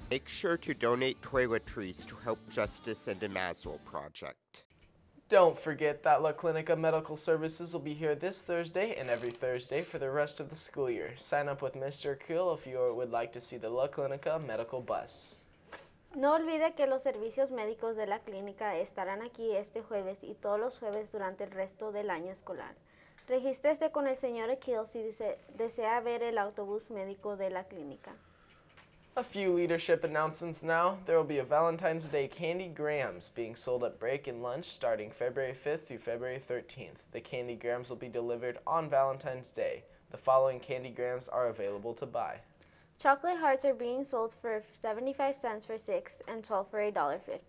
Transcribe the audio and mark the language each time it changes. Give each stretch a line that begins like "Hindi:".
English: Make sure to donate toiletries to help Justice and the Maslow Project. Don't forget that La Clinica Medical Services will be here this Thursday and every Thursday for the rest of the school year. Sign up with Mr. Kuhl if you would like to see the La Clinica Medical Bus.
Spanish: No olvide que los servicios médicos de la clínica estarán aquí este jueves y todos los jueves durante el resto del año escolar. Regístrese con el señor Akil si desea ver el autobús médico de la clínica.
English: A few leadership announcements now. There will be a Valentine's Day candy grams being sold at break and lunch starting February 5th through February 13th. The candy grams will be delivered on Valentine's Day. The following candy grams are available to buy. Chocolate hearts are being sold for 75 cents for 6 and 12 for $1.50.